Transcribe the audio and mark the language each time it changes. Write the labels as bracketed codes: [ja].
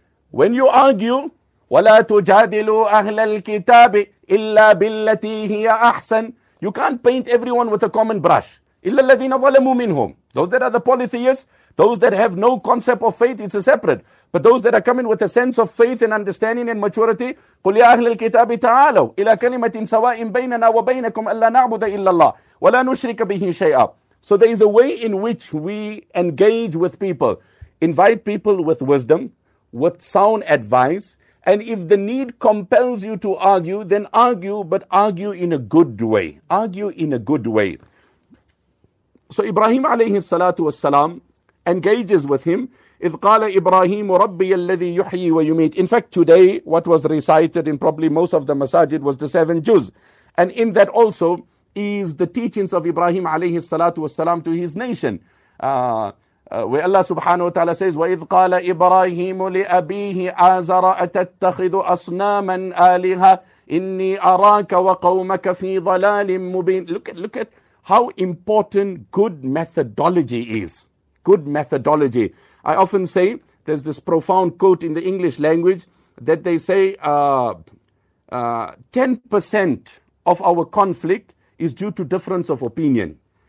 [en] When you argue, [ar] wala tujadilu ahla al-kitabi illa billati hiya ahsan. [en] You can't paint everyone with a common brush. [ar] إِلَّا الَّذِينَ ظَلَمُوا مِنْهُمْ. [en] Those that are the polytheists, those that have no concept of faith, it's a separate. But those that are coming with a sense of faith and understanding and maturity, [ar] قُلْ يَا أَهْلِ الْكِتَابِ تَعَالَوْا إِلَىٰ كَلِمَةٍ سَوَاءٍ بَيْنَنَا وَبَيْنَكُمْ أَلَّا نَعْبُدَ إِلَّا اللَّهِ وَلَا نُشْرِكَ بِهِ شَيْئًا. [en] So there is a way in which we engage with people. Invite people with wisdom, with sound advice. And if the need compels you to argue, then argue, but argue in a good way. Argue in a good way. So Ibrahim alayhi salatu wassalam engages with him. [ar] إِذْ قَالَ إِبْرَاهِيمُ رَبِّيَ الَّذِي يُحْيِي وَيُمِيتُ. [en] In fact, today, what was recited in probably most of the masajid was the 7 Juz. And in that also is the teachings of Ibrahim alayhi salatu wassalam to his nation. Where Allah subhanahu wa ta'ala says, [ar] وَإِذْ قَالَ إِبْرَاهِيمُ لِأَبِيهِ آزَرَ أَتَتَّخِذُ أَصْنَامًا آلِهَا إِنِّي أَرَاكَ وَقَوْمَكَ فِي ضَلَالٍ مُبِينٍ. [en] Look at how important good methodology is. Good methodology. I often say, there's this profound quote in the English language that they say, 10% of our conflict is due to difference of opinion.